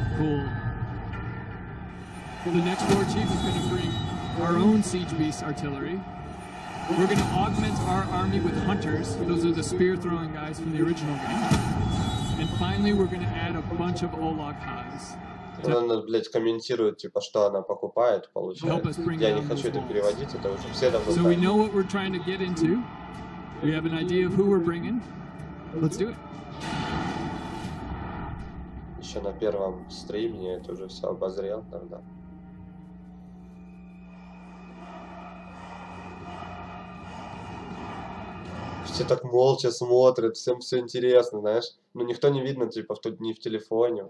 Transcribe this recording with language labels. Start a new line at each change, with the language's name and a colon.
English: Cool. The next war chief is going to bring our own siege beast artillery. We're going to augment our army with hunters. Those are the spear throwing guys from the original game. And finally, we're going to add a bunch of Olag Hais.
Russian: Она, блядь, комментирует, типа, что она покупает, получается. Я не хочу это переводить, это уже все давно.
English: So we know what we're trying to get into. We have an idea of who we're bringing. Let's do it.
Russian: Еще на первом стриме я это уже все обозрел, тогда. Все так молча смотрят, всем все интересно, знаешь. Ну никто не видно, типа, тут не в телефоне.